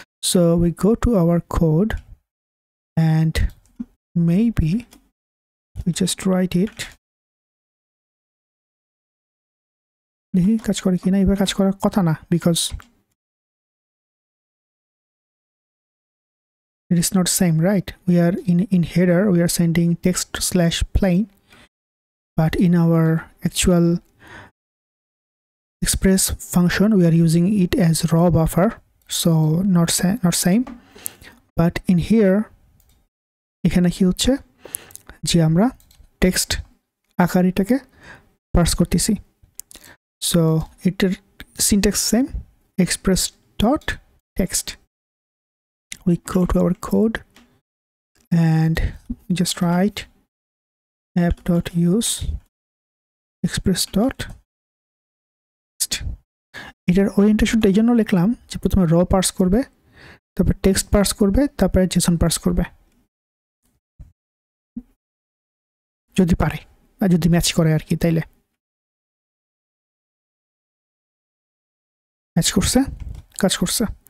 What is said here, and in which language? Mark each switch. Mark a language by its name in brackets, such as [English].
[English] so we go to our code and maybe we just write it, [Bangla] দেখি কাজ করে কি না। এবার কাজ করার কথা না [English] Because it is not same, right? We are in header, we are sending text slash plain, but in our actual express function we are using it as raw buffer, so not same. But in here [Bangla] এখানে কি হচ্ছে যে আমরা text আকারটাকে purse করতেছি। So এটার syntax same, express dot text. [English] We go to our code and just write app.use express.text. [Bangla] এটার ওরিয়েন্টেশনটা এই জন্য লিখলাম যে প্রথমে র পার্স করবে, তারপরে টেক্সট পার্স করবে, তারপরে জেসন পার্স করবে যদি পারে বা যদি ম্যাচ করে আর কি। তাইলে ম্যাচ করছে, কাজ করছে।